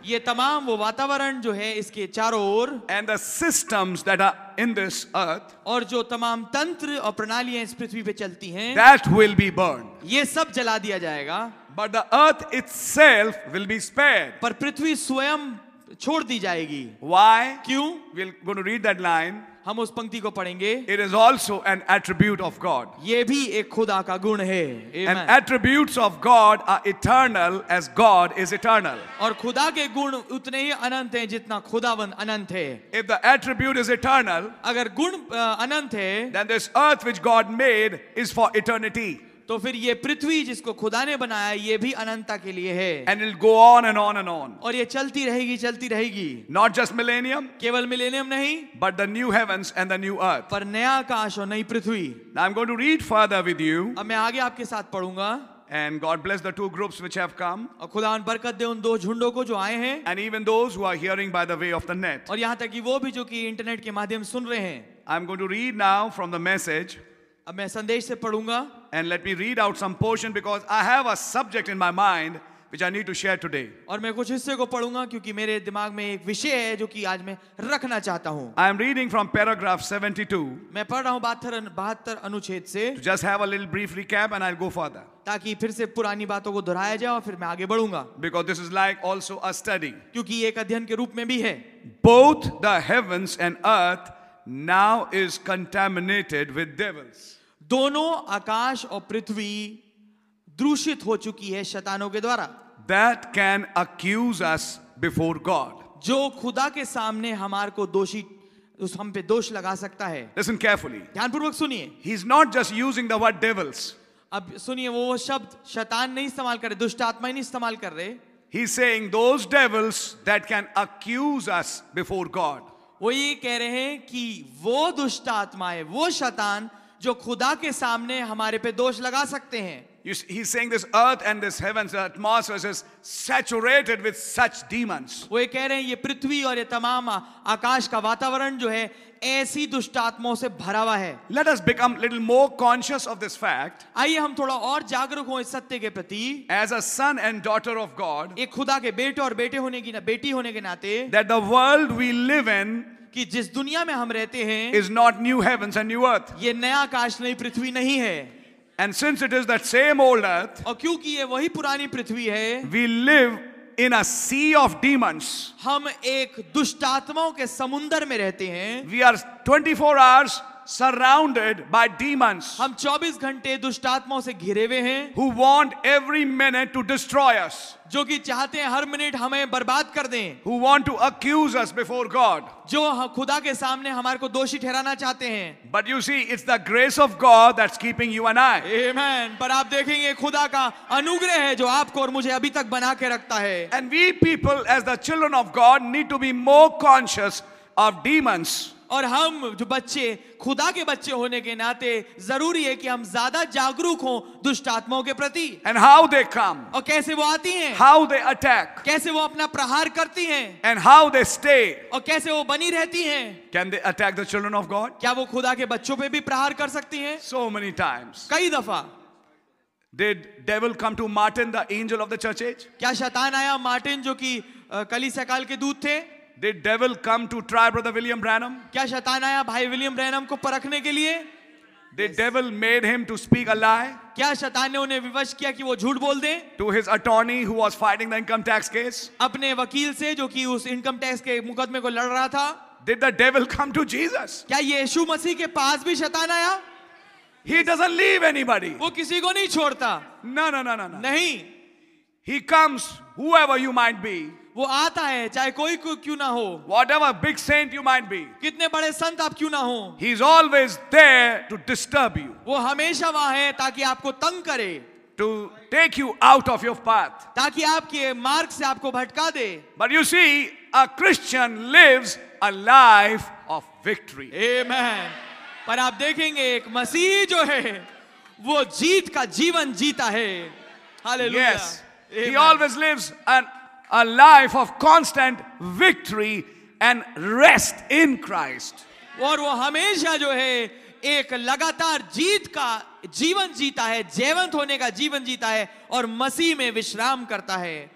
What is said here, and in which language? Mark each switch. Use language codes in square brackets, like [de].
[hi] ये तमाम वो वातावरण जो है इसके चारों ओर [en] and the systems that are in this earth [hi] और जो तमाम तंत्र और प्रणालियां इस पृथ्वी पे चलती हैं [en] that will be burn [hi] ये सब जला दिया जाएगा [en] But the earth itself will be spared. [hi] पर पृथ्वी स्वयं छोड़ दी जाएगी. [en] Why? [hi] क्यों? [en] We're going to read that line. [hi] हम उस पंक्ति को पढ़ेंगे. [en] It is also an attribute of God. [hi] ये भी एक खुदा का गुण है. Amen. [en] And attributes of God are eternal as God is eternal. [hi] और खुदा के गुण उतने ही अनंत हैं जितना खुदावन अनंत है. [en] If the attribute is eternal, [hi] अगर गुण अनंत है, [en] then this earth which God made is for eternity. [hi] तो फिर ये पृथ्वी जिसको खुदा ने बनाया ये भी अनंतता के लिए है [en] and it'll go on and on and on. [hi] और ये चलती रहेगी [en] not just millennium [hi] केवल मिलेनियम नहीं [en] but the new heavens and the new earth [hi] पर नया आकाश और नई पृथ्वी [en] Now I'm going to read further with you. [hi] अब मैं आगे आपके साथ पढ़ूंगा [en] And God bless the two groups which have come. [hi] और खुदा बरकत दे उन दो झुंडों को जो आए हैं [en] And even those who are hearing by the way of the net. [hi] और यहाँ तक कि वो भी जो कि इंटरनेट के माध्यम सुन रहे हैं [en] I'm going to read now from the message. [hi] अब मैं संदेश से पढ़ूंगा [en] And let me read out some portion because I have a subject in my mind which I need to share today. [hi] और मैं कुछ हिस्से को पढ़ूंगा क्योंकि मेरे दिमाग में एक विषय है जो कि आज मैं रखना चाहता हूँ. [en] I am reading from paragraph 72. [hi] मैं पढ़ रहा हूँ 72 अनुच्छेद से. [en] To just have a little brief recap and I'll go further. [hi] ताकि फिर से पुरानी बातों को दोहराया जाए और फिर मैं आगे बढ़ूंगा. [en] Because this is like also a study. [hi] क्योंकि एक अध्ययन के रूप में भी है. [en] Both the heavens and earth now is contaminated with devils. [hi] दोनों आकाश और पृथ्वी दूषित हो चुकी है शैतानों के द्वारा [en] that can accuse us before God [hi] जो खुदा के सामने हमार को दोषी उस हम पे दोष लगा सकता है [en] listen carefully [hi] ध्यानपूर्वक सुनिए [en] he is not just using the word devils [hi] अब सुनिए वो शब्द शैतान नहीं इस्तेमाल कर रहे दुष्ट आत्मा ही नहीं इस्तेमाल कर रहे [en] he saying those devils that can accuse us before God [hi] वो ये कह रहे हैं कि वो दुष्ट आत्माएं वो शैतान जो खुदा के सामने हमारे पे दोष लगा सकते हैं [en] He is saying this earth and this heavens, the atmosphere is saturated with such demons. [hi] वो ये कह रहे हैं ये पृथ्वी और ये तमाम आकाश का वातावरण जो है ऐसी दुष्टात्माओं से भरा हुआ है. [en] Let us become little more conscious of this fact. [hi] आइए हम थोड़ा और जागरूक हों इस सत्य के प्रति. [en] As a son and daughter of God, [hi] एक खुदा के बेटे और बेटे होने की ना बेटी होने के नाते, [en] that the world we live in. [hi] कि जिस दुनिया में हम रहते हैं [en] is not new heavens and new earth [hi] ये नया आकाश नई पृथ्वी नहीं है [en] and since it is that same old earth [hi] और क्योंकि ये वही पुरानी पृथ्वी है [en] we live in a sea of demons [hi] हम एक दुष्ट आत्माओं के समुंदर में रहते हैं [en] We are 24 hours surrounded by demons. [hi] हम 24 घंटे दुष्टात्माओं से घिरे हुए हैं. [en] Who want every minute to destroy us. [hi] जो कि चाहते हैं हर मिनट हमें बर्बाद कर दें. [en] Who want to accuse us before God. [hi] जो खुदा के सामने हमारे को दोषी ठहराना चाहते हैं. [en] But you see, it's the grace of God that's keeping you and I. Amen. [hi] पर आप देखेंगे खुदा का अनुग्रह है जो आपको और मुझे अभी तक बना के रखता है. [en] And we people, as the children of God, need to be more conscious of demons. [hi] और हम जो बच्चे खुदा के बच्चे होने के नाते जरूरी है कि हम ज्यादा जागरूक हों दुष्ट आत्माओं के प्रति. [en] and how they come, [hi] और कैसे वो आती हैं. [en] how they attack, [hi] कैसे वो अपना प्रहार करती हैं. [en] and how they stay, [hi] और कैसे वो बनी रहती हैं. [en] can they attack the children of God, [hi] क्या वो खुदा के बच्चों पे भी प्रहार कर सकती हैं. [en] so many times, [hi] कई दफा. [en] did devil come to Martin the angel of the church age, [hi] क्या शैतान आया मार्टिन जो कि कलीसिया काल के दूत थे. [en] Did devil come to try brother William Branham? [hi] क्या शैतान आया भाई विलियम ब्रैनम को परखने के लिए? [en] Did devil made him to speak a lie? [hi] क्या शैतान ने उन्हें विवश किया कि वो झूठ बोल दें? [en] To his attorney who was fighting the income tax case? [hi] अपने वकील से जो कि उस इनकम टैक्स के मुकदमे को लड़ रहा था. [en] Did the devil come to Jesus? [hi] क्या यीशु मसीह के पास भी शैतान आया? [en] He doesn't leave anybody. [hi] वो किसी को नहीं छोड़ता. [en] No no no no no. [hi] नहीं. [en] He comes whoever you might be. [hi] वो आता है चाहे कोई क्यों ना हो. [en] Whatever big saint you might be, [hi] कितने बड़े संत आप क्यों ना हो. [en] He is always there to disturb you. [hi] वो हमेशा वहां है ताकि आपको तंग करे. [en] To take you out of your path, [hi] ताकि आपके मार्ग से आपको भटका दे. [en] But you see, a Christian lives a life of victory. Amen. [hi] पर आप देखेंगे एक मसीही जो है वो जीत का जीवन जीता है. [en] Hallelujah. Yes. Amen. He always lives a life of constant victory and rest in Christ. [hi] और वो हमेशा जो है एक लगातार जीत का जीवन जीता है, जयवंत होने का जीवन जीता है और मसीह में विश्राम करता है.